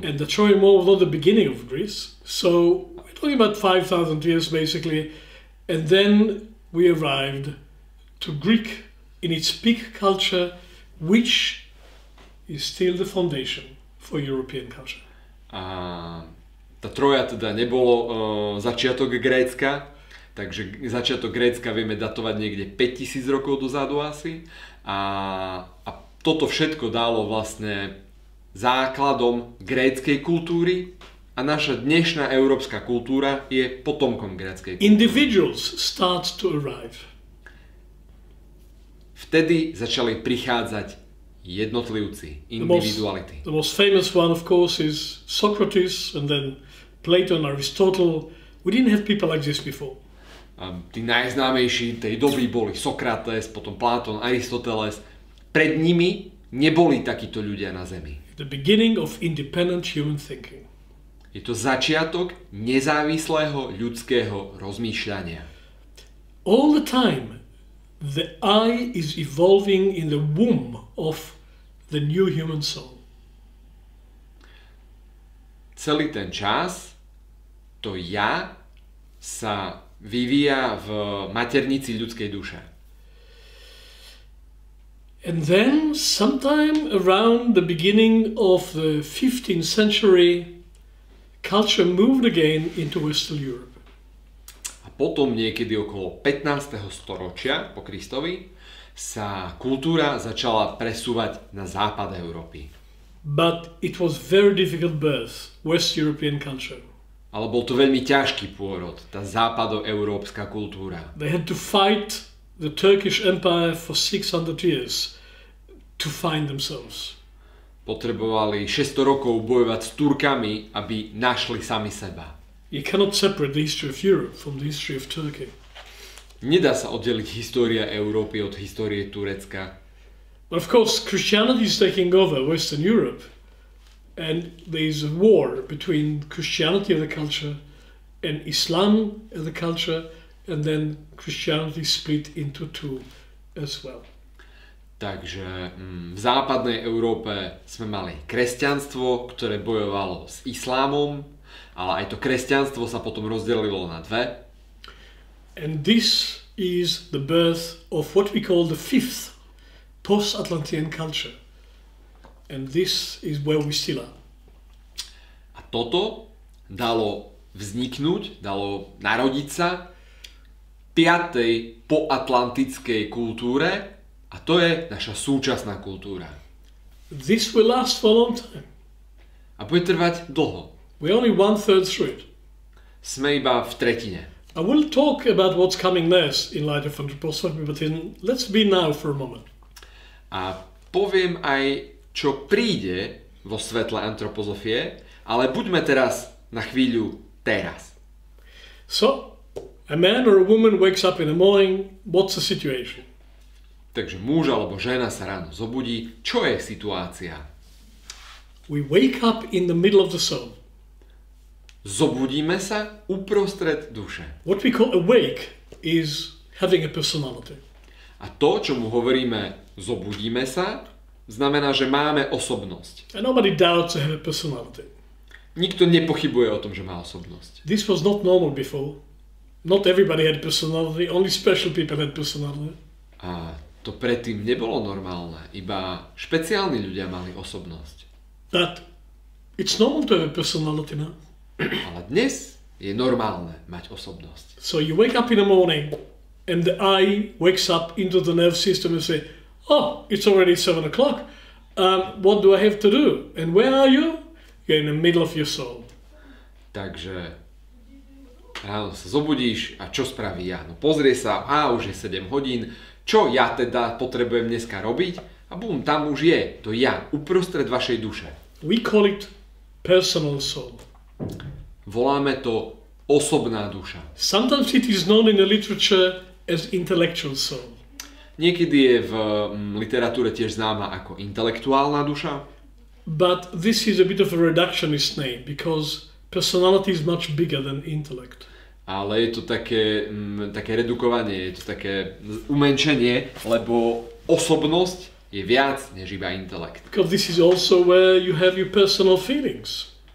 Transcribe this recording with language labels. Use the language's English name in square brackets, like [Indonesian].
[English] And the Trojan War was not the beginning of Greece. So, we're talking about 5000 years basically. And then we arrived to Greek in its peak culture, which is still the foundation for European culture. [Slovak] A tá Troja teda nebolo začiatok Grécka. Takže začiatok Grécka vieme datovať niekde 5000 rokov dozadu asi. A toto všetko dalo vlastne základom gréckej kultúry a naša dnešná európska kultúra je potomkom gréckej kultúry. [English] Individuals start to arrive. [Slovak] Vtedy začali prichádzať jednotlivci, individuality. [English] The most famous one of course is Socrates and then Plato and Aristotle. We didn't have people like this before. [Slovak] Tí najznámejší tej doby boli Sokrates, potom Platón, Aristoteles. Pred nimi neboli takíto ľudia na Zemi. [English] The beginning of independent human thinking. [Slovak] Je to začiatok nezávislého ľudského rozmýšľania. [English] All the time the I is evolving in the womb of the new human soul. [Slovak] Celý ten čas to ja sa vyvíja v maternici ľudskej duše. [English] And then, sometime around the beginning of the 15th century, culture moved again into Western Europe. [Slovak] A potom niekedy okolo 15. storočia po Kristovi sa kultúra začala presúvať na západ Európy. [English] But it was very difficult birth, West European culture. [Slovak] Ale bol to veľmi ťažký pôrod, tá západoeurópska kultúra. [English] They had to fight the Turkish Empire for 600 years to find themselves. [Slovak] Potrebovali 600 rokov bojovať s Turkami, aby našli sami seba. [English] You cannot separate the history of Europe from the history of Turkey. [Slovak] Nedá sa oddeliť história Európy od histórie Turecka. [English] But of course, Christianity is taking over Western Europe. And there is a war between Christianity and the culture, and Islam and the culture, and then Christianity split into two as well. [Slovak] Takže v západnej Európe sme mali kresťanstvo, ktoré bojovalo s islámom, ale aj to kresťanstvo sa potom rozdelilo na dve. [English] And this is the birth of what we call the fifth post-Atlantean culture. And this is where we still are. [Slovak] A toto dalo vzniknúť, dalo narodiť sa piatej poatlantickej kultúre, a to je naša súčasná kultúra. [English] This will last for a long time. [Slovak] A bude trvať dlho. [English] We're only one third through it. [Slovak] Sme iba v tretine. [English] I will talk about what's coming next in light of anthroposophy, but then let's be now for a moment. [Slovak] A poviem aj, čo príde vo svetle antropozofie, ale buďme teraz na chvíľu teraz. [English] So, a man or a woman wakes up in the morning, what's the situation? [Slovak] Takže muž alebo žena sa ráno zobudí, čo je situácia? [English] We wake up in the middle of the soul. [Slovak] Zobudíme sa uprostred duše. [English] What we call awake is having a personality. [Slovak] A to, čo mu hovoríme zobudíme sa, znamená, že máme osobnosť. [English] And nobody doubts they have a personality. [Slovak] Nikto nepochybuje o tom, že má osobnosť. [English] This was not normal before. Not everybody had personality, only special people had personality. [Slovak] A to predtým nebolo normálne, iba špeciálni ľudia mali osobnosť. [English] But it's normal to have a personality now. [Slovak] Ale dnes je normálne mať osobnosť. [English] So you wake up in the morning and the eye wakes up into the nerve system and say, oh, it's already 7 o'clock. What do I have to do? And where are you? You're in the middle of your soul. [Slovak] Takže ráno sa zobudíš a čo spraví ja? No pozrie sa, a už je 7 hodín. Čo ja teda potrebujem dneska robiť? A bum, tam už je to ja, uprostred vašej duše. [English] We call it personal soul. [Slovak] Voláme to osobná duša. [English] Sometimes it is known in the literature as intellectual soul. [Slovak] Niekedy je v literatúre tiež známa ako intelektuálna duša. [English] But this is a bit of a reductionist name because personality is much bigger than intellect. [Slovak] Ale je to také, také redukovanie, je to také umenšenie, lebo osobnosť je viac než iba intelekt. [English] Because this is also where you have your personal feelings.